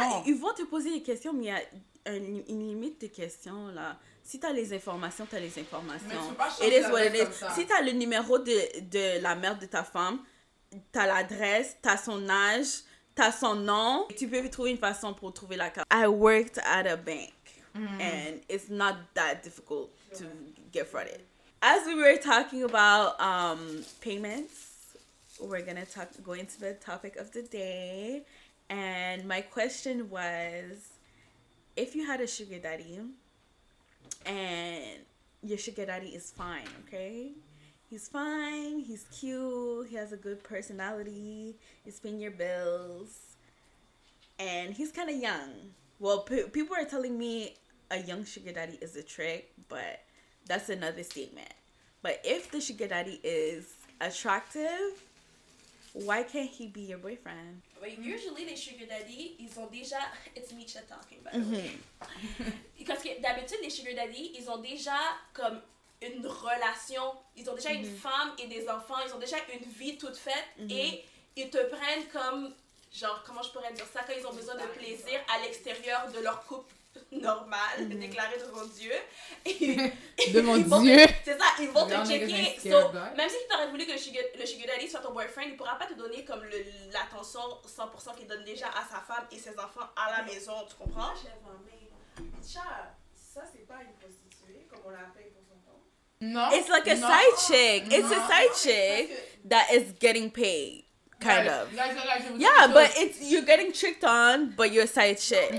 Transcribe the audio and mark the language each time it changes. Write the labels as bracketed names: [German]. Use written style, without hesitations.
[French] Yeah, ils vont te poser des questions, mais il y a une limite de questions, là. Si t'as les informations, t'as les informations. Mais tu peux pas changer d'adresse comme ça. Si t'as le numéro de la mère de ta femme, t'as l'adresse, t'as son âge, t'as son nom, tu peux trouver une façon pour trouver la carte. [English] I worked at a bank. Mm. And it's not that difficult to get frauded. As we were talking about payments, we're gonna go into the topic of the day. And my question was, if you had a sugar daddy, and your sugar daddy is fine, okay? He's fine, he's cute, he has a good personality, he's paying your bills, and he's kind of young. Well, people are telling me a young sugar daddy is a trick, but that's another statement. But if the sugar daddy is attractive, why can't he be your boyfriend? Wait, usually [French] les sugar daddy, ils ont déjà... [English] It's Misha talking, by the way. [French] Parce que d'habitude, les sugar daddy, ils ont déjà comme une relation. Ils ont déjà une femme et des enfants. Ils ont déjà une vie toute faite. Mm-hmm. Et ils te prennent comme... Genre, comment je pourrais dire ça? Quand ils ont besoin de plaisir à l'extérieur de leur couple normal, déclaré devant Dieu. De mon Dieu! C'est ça, ils vont te checker. So, même si tu aurais voulu que le sugar daddy soit ton boyfriend, il pourra pas te donner comme l'attention 100% qu'il donne déjà à sa femme et ses enfants à la maison, tu comprends? Ça, c'est pas une prostituée, comme on l'appelle pour son temps? Non. [English] It's like a side chick. It's a side chick that is getting paid. kind guys, of. Guys, yeah, so but it's you're getting tricked on, but you're side shit.